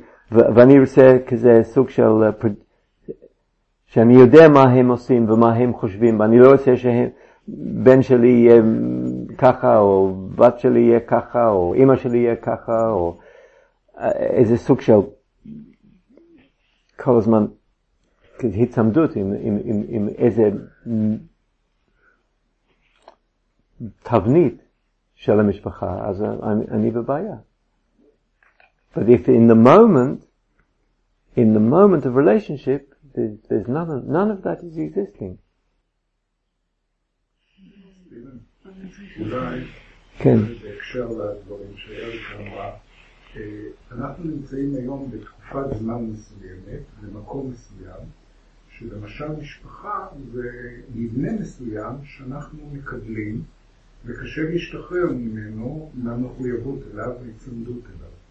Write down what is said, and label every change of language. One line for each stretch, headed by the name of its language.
Hebrew: ואני רוצה כזה סוג של, שאני יודע מה הם עושים ומה הם חושבים, ואני לא רוצה שהם, בן שלי יהיה ככה, או בת שלי יהיה ככה, או אמא שלי יהיה ככה, או איזה סוג של כל הזמן התעמדות עם, עם, עם, עם איזה תבנית של המשפחה, אז אני בבעיה.
English: But if in the moment of relationship, there's none of that is existing.
Hebrew: אולי, בהקשר לדברים שאלת אמרה, אנחנו נמצאים היום בתקופת זמן מסוימת, במקום מסוים, שלמשל משפחה זה מבנה מסוים שאנחנו מקבלים, וקשה להשתחרר ממנו מהמחויבות אליו והצמדות אליו.